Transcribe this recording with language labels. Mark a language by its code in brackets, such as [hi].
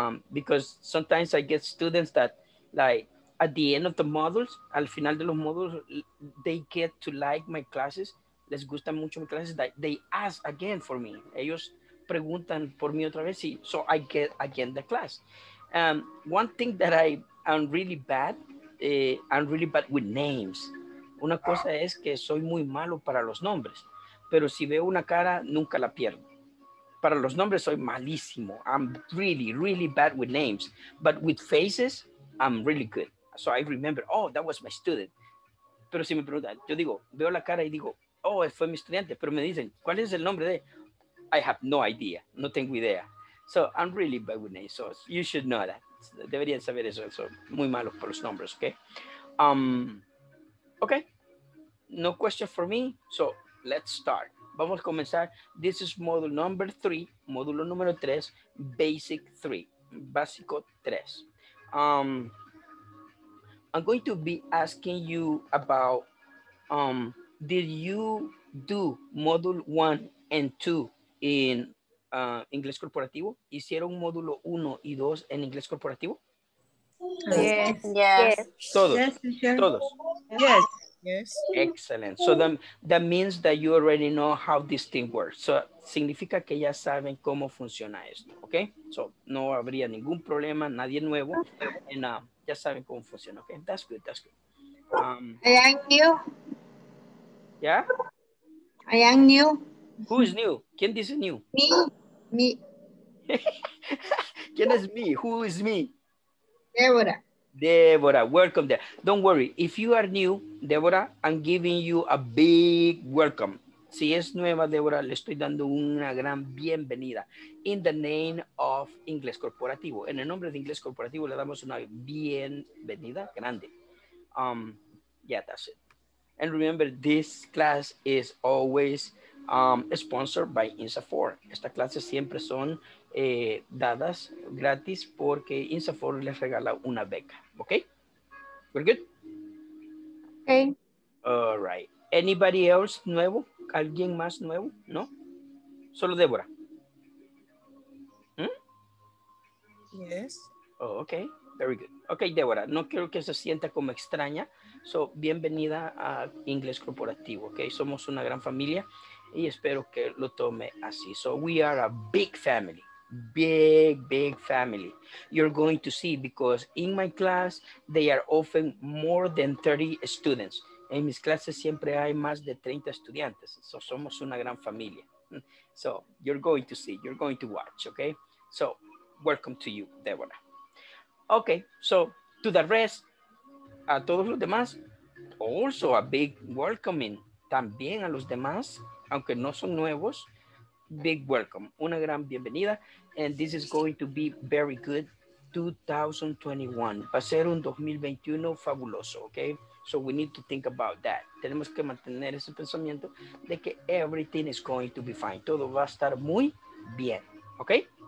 [en] Because sometimes I get students that, like, at the end of the modules, [es] al final de los modules, [en] they get to like my classes. [es] Les gusta mucho mi clases. [en] They ask again for me. [es] Ellos preguntan por mí otra vez, [en] so I get again the class. One thing that I am really bad, I'm really bad with names. [es] Una cosa es que soy muy malo para los nombres, pero si veo una cara, nunca la pierdo. Para los nombres soy malísimo. [en] I'm really, really bad with names, but with faces, I'm really good. So I remember, oh, that was my student. [es] Pero si me preguntan, yo digo, veo la cara y digo, oh, fue mi estudiante, pero me dicen, ¿cuál es el nombre de? [en] I have no idea, [es] no tengo idea. [en] So I'm really bad with names, so you should know that. [es] Deberían saber eso, so muy malos por los nombres, okay? [en] Okay, no question for me, so let's start. [es] Vamos a comenzar, [en] this is module number 3, [es] módulo número 3, [en] basic 3, [es] básico 3. [en] I'm going to be asking you about, did you do module 1 and 2 in Inglés Corporativo? [es] ¿Hicieron módulo 1 y 2 en Inglés Corporativo? [en] Yes. [es] ¿Todos? [en] Yes. [es] ¿Todos? [en] Yes. Yes. Excellent. So that means that you already know how this thing works. [es] So significa que ya saben cómo funciona esto, ¿ok? So no habría ningún problema, nadie nuevo, and ya saben cómo funciona, ¿ok? [en] That's good, that's good. Thank you. Yeah? I am new. Who is new? [es] ¿Quién dice new? [en] Me. Me. [es] ¿Quién es me? [en] Who is me? Deborah. Deborah, welcome there. Don't worry. If you are new, Deborah, I'm giving you a big welcome. [es] Si es nueva, Deborah, le estoy dando una gran bienvenida. [en] In the name of Inglés Corporativo. [es] En el nombre de Inglés Corporativo le damos una bienvenida grande. [en] Yeah, that's it. And remember, this class is always sponsored by INSAFORP. [es] Estas clases siempre son dadas gratis porque INSAFORP les regala una beca. [en] Okay? We're good? Okay. All right. Anybody else nuevo? [es] ¿Alguien más nuevo? [en] No? [es] Solo Débora. ¿Mm? [en] Yes. Oh, okay. Very good. [es] Okay, Débora, no quiero que se sienta como extraña. So, bienvenida a Inglés Corporativo, okay? Somos una gran familia y espero que lo tome así. [en] So, we are a big family, big, big family. You're going to see because in my class, they are often more than 30 students. [es] En mis clases siempre hay más de 30 estudiantes. [en] So, [es] somos una gran familia. [en] So, you're going to see, you're going to watch, okay? So, welcome to you, Débora. Okay, so to the rest, [es] a todos los demás, [en] also a big welcoming, [es] también a los demás, aunque no son nuevos, [en] big welcome, [es] una gran bienvenida, [en] and this is going to be very good, 2021, [es] va a ser un 2021 fabuloso, [en] okay, so we need to think about that, [es] tenemos que mantener ese pensamiento de que [en] everything is going to be fine, [es] todo va a estar muy bien, [en] okay?